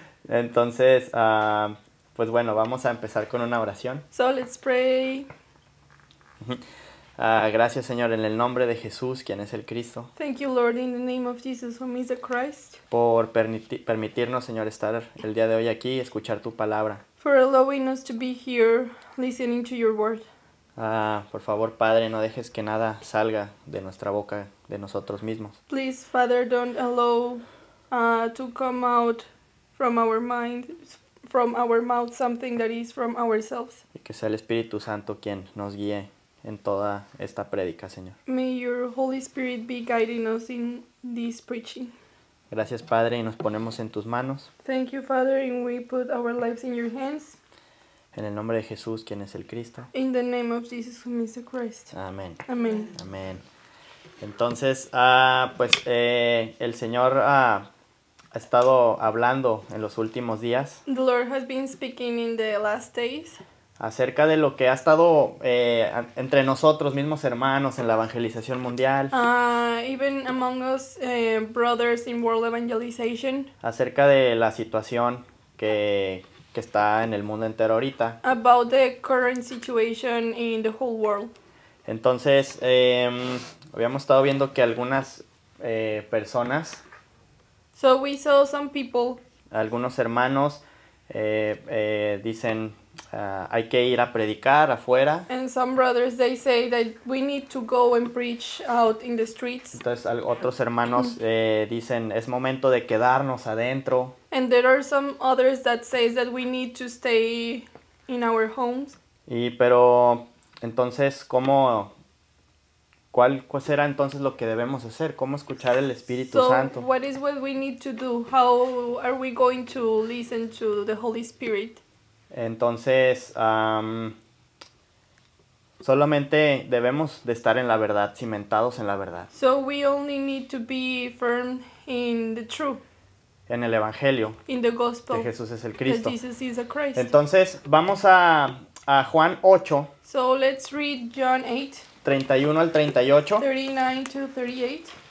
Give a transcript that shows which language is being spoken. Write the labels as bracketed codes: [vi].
[es] Entonces, pues bueno, vamos a empezar con una oración. [en] So let's pray. [es] Gracias, Señor, en el nombre de Jesús, quien es el Cristo. [en] Thank you, Lord, in the name of Jesus, whom is the Christ. [es] Por permitirnos, Señor, estar el día de hoy aquí y escuchar tu palabra. [en] For allowing us to be here, listening to your word. [es] Por favor, Padre, no dejes que nada salga de nuestra boca, de nosotros mismos. [en] Please, Father, don't allow to come out from our mind, from our mouth, something that is from ourselves. [es] Y que sea el Espíritu Santo quien nos guíe. En toda esta prédica, Señor. [en] May your Holy Spirit be guiding us in this preaching. [es] Gracias, Padre, y nos ponemos en tus manos. [en] Thank you, Father, and we put our lives in your hands. [es] En el nombre de Jesús, quien es el Cristo. [en] In the name of Jesus, who is the Christ. [es] Amén. Amén. Amén. Entonces, el Señor ha estado hablando en los últimos días. [en] The Lord has been speaking in the last days. [es] Acerca de lo que ha estado entre nosotros mismos hermanos en la evangelización mundial. [en] Even among us brothers in world evangelization. [es] Acerca de la situación que está en el mundo entero ahorita. [en] About the current situation in the whole world. [es] Entonces, habíamos estado viendo que algunas personas. [en] So we saw some people. [es] Algunos hermanos dicen... hay que ir a predicar afuera. [en] And some brothers they say that we need to go and preach out in the streets. [es] Entonces otros hermanos dicen es momento de quedarnos adentro. [en] And there are some others that says that we need to stay in our homes. [es] Y pero entonces cómo cuál será entonces lo que debemos hacer, cómo escuchar el Espíritu Santo. [en] So what is what we need to do? How are we going to listen to the Holy Spirit? [es] Entonces, solamente debemos de estar en la verdad, cimentados en la verdad. [en] So we only need to be firm in the truth. [es] En el Evangelio. [en] In the gospel. [es] Que Jesús es el Cristo. [en] That Jesus is the Christ. [es] Entonces, vamos a Juan 8. [en] So let's read John 8. [es] 31 al 38. [en] 39 to 38.